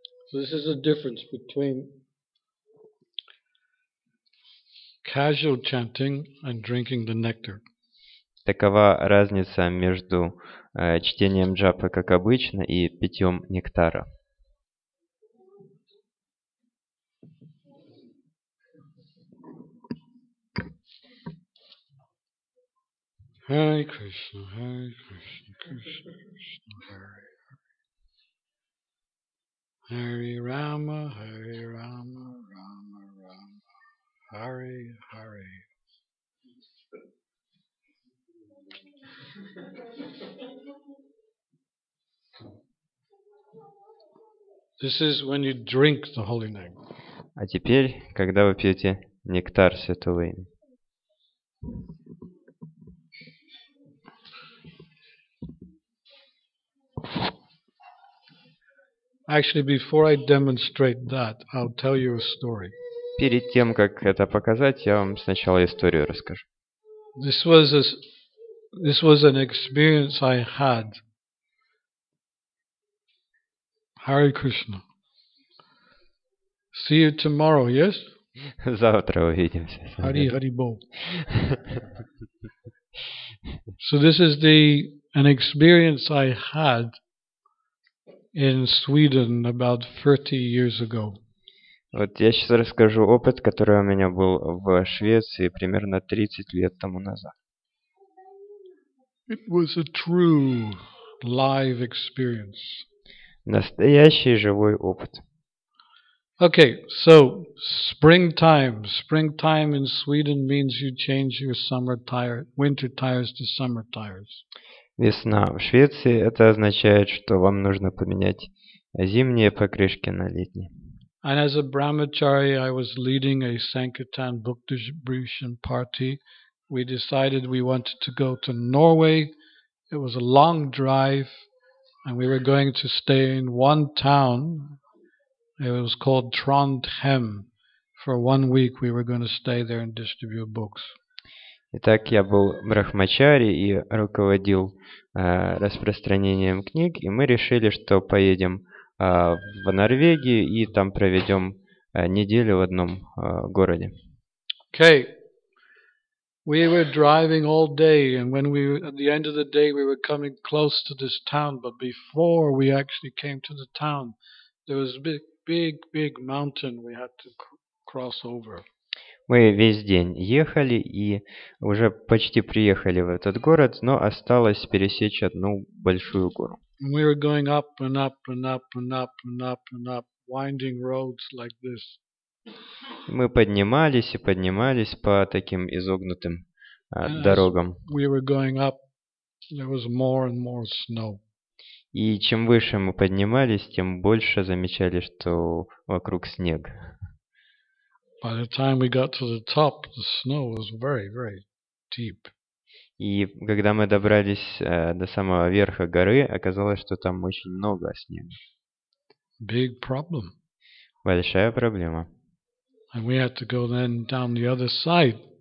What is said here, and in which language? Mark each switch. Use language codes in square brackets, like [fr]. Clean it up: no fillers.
[en] So this is a difference between casual chanting and drinking the nectar. [ru] Такова разница между чтением джапы как обычно и питьем нектара. [sa] Hare Krishna, Hare Krishna, Krishna Krishna, Hare Hare. Hare Rama, Hare Rama, Rama Rama, Hare Hare. [en] This is when you drink the holy name. [ru] А теперь, когда вы пьете нектар святого имени. [en] Actually, before I demonstrate that, I'll tell you a story. [ru] Перед тем, как это показать, я вам сначала историю расскажу. [en] This was an experience I had. Hare Krishna. See you tomorrow, yes? [ru] Завтра увидимся. [sa] Hare Hare Bol. [en] So this is an experience I had in Sweden about 30 years ago. [ru] Вот я сейчас расскажу опыт, который у меня был в Швеции примерно 30 лет тому назад. [en] It was a true live experience. [ru] Настоящий живой опыт. [en] Okay, so springtime. Springtime in Sweden means you change your winter tires to summer tires. [ru] Весна в Швеции, это означает, что вам нужно поменять зимние покрышки на летние. [en] And as a brahmachari, I was leading a Sankirtan book distribution party. We decided we wanted to go to Norway. It was a long drive, and we were going to stay in one town. It was called Trondheim. For 1 week we were going to stay there and distribute books. [ru] Итак, я был брахмачари и руководил распространением книг, и мы решили, что поедем в Норвегию и там проведем неделю в одном городе. [en] Okay. We were driving all day, and when we at the end of the day we were coming close to this town, but before we actually came to the town, there was a big mountain we had to cross over. [ru] Мы весь день ехали и уже почти приехали в этот город, но осталось пересечь одну большую гору. [en] We were going up and up and up and up and up and up, winding roads like this. [ru] Мы поднимались и поднимались по таким изогнутым дорогам. [en] We were going up, there was more and more snow. [ru] И чем выше мы поднимались, тем больше замечали, что вокруг снег. [en] By the time we got to the top, the snow was very, very deep. [ru] И когда мы добрались до самого верха горы, оказалось, что там очень много снега. [en] Big problem. [ru] Большая проблема. [en] And we had to go then down the other side.